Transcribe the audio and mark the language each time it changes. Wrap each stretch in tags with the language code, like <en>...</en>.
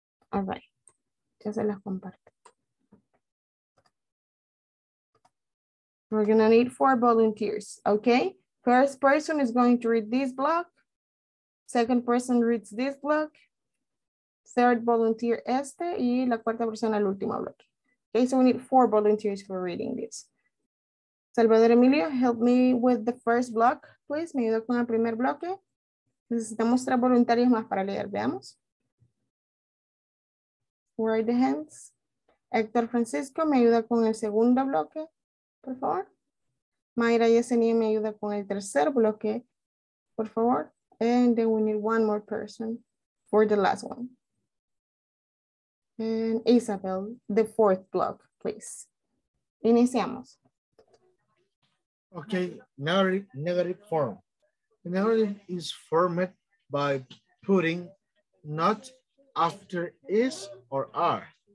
<en>All right,</en> <es>ya se las comparto.</es> <en>We're gonna need four volunteers, okay? First person is going to read this block. Second person reads this block. Third volunteer</en> <es>este y la cuarta persona el último bloque.</es> <en>Okay, so we need four volunteers for reading this. Salvador Emilio, help me with the first block, please.</en> <es>Me ayuda con el primer bloque. Necesitamos tres voluntarios más para leer, veamos.</es> <en>Where are the hands?</en> <es>Héctor Francisco, me ayuda con el segundo bloque, por favor. Mayra Yesenia, me ayuda con el tercer bloque, por favor.</es> <en>And then we need one more person for the last one. And Isabel, the fourth block, please. Iniciamos. Okay, negative form. Negative is formed by putting not after is or are.</en>